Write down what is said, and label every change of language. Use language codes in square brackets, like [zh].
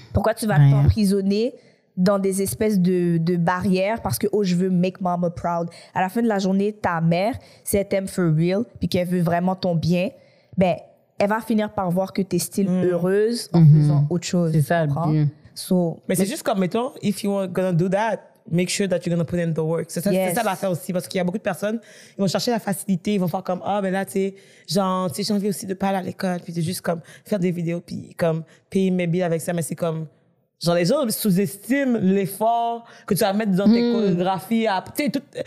[fr] Pourquoi tu vas t'emprisonner dans des espèces de barrières parce que, oh, je veux [en] make mama proud. [fr] À la fin de la journée, ta mère, si elle t'aime [en] for real [fr] puis qu'elle veut vraiment ton bien, ben, elle va finir par voir que t'es [en] still [fr] heureuse en faisant autre chose. C'est ça, le bien. [en] So, [fr] mais c'est juste comme, mettons, [en] if you are gonna do that, make sure that you're gonna put in the work. [fr] C'est ça, yes. C'est ça l'affaire aussi, parce qu'il y a beaucoup de personnes, ils vont chercher la facilité, ils vont faire comme, ah, oh, ben là, tu sais, genre, tu sais, j'ai envie aussi de pas aller à l'école, puis de juste comme faire des vidéos, puis comme payer mes billes avec ça, mais c'est comme, genre, les gens sous-estiment l'effort que tu vas mettre dans tes chorégraphies, tu sais, tout.